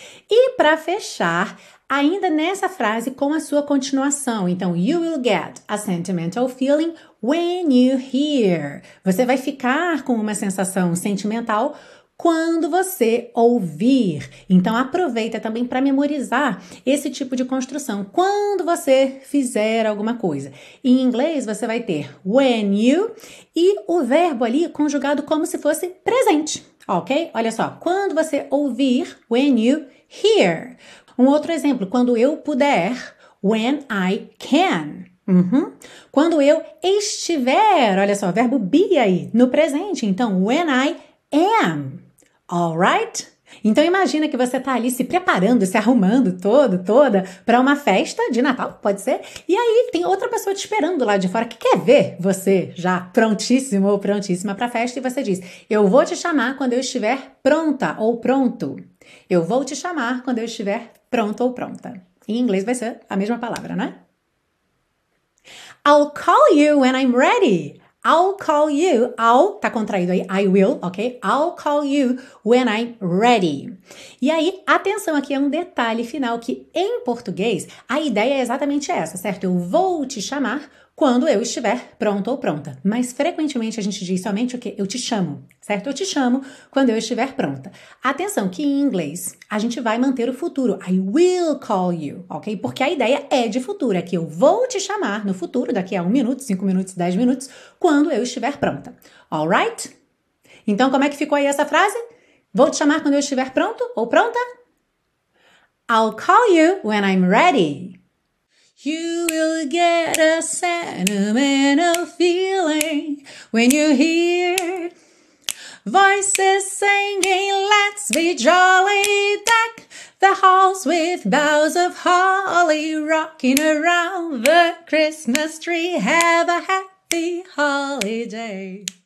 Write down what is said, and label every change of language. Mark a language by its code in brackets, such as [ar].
[pt] E para fechar, ainda nessa frase com a sua continuação. [en] Então, you will get a sentimental feeling when you hear. [pt] Você vai ficar com uma sensação sentimental quando você ouvir. Então, aproveita também para memorizar esse tipo de construção. Quando você fizer alguma coisa. Em inglês, você vai ter [en] when you [pt] e o verbo ali conjugado como se fosse presente. Ok? Olha só. Quando você ouvir, [en] when you hear. [pt] Um outro exemplo, quando eu puder, [en] when I can. [pt] Quando eu estiver, olha só, verbo be aí, no presente. [en] Então, when I am. All right? [pt] Então, imagina que você está ali se preparando, se arrumando todo, toda, para uma festa de Natal, pode ser. E aí, tem outra pessoa te esperando lá de fora que quer ver você já prontíssimo ou prontíssima para a festa. E você diz: eu vou te chamar quando eu estiver pronta ou pronto. Eu vou te chamar quando eu estiver pronto ou pronta. Em inglês vai ser a mesma palavra, né? [en] I'll call you when I'm ready. I'll call you. I'll, [pt] tá contraído aí. [en] I will, ok? I'll call you when I'm ready. [pt] E aí, atenção aqui, é um detalhe final que em português a ideia é exatamente essa, certo? Eu vou te chamar quando eu estiver pronto ou pronta. Mas frequentemente a gente diz somente o quê? Eu te chamo, certo? Eu te chamo quando eu estiver pronta. Atenção, que em inglês a gente vai manter o futuro. [en] I will call you, [pt] ok? Porque a ideia é de futuro, é que eu vou te chamar no futuro, daqui a 1 minuto, 5 minutos, 10 minutos, quando eu estiver pronta. [en] All right? [pt] Então, como é que ficou aí essa frase? Vou te chamar quando eu estiver pronto ou pronta? [en] I'll call you when I'm ready. You will get a sentimental feeling when you hear voices singing, let's be jolly, deck the halls with boughs of holly, rocking around the Christmas tree, have a happy holiday.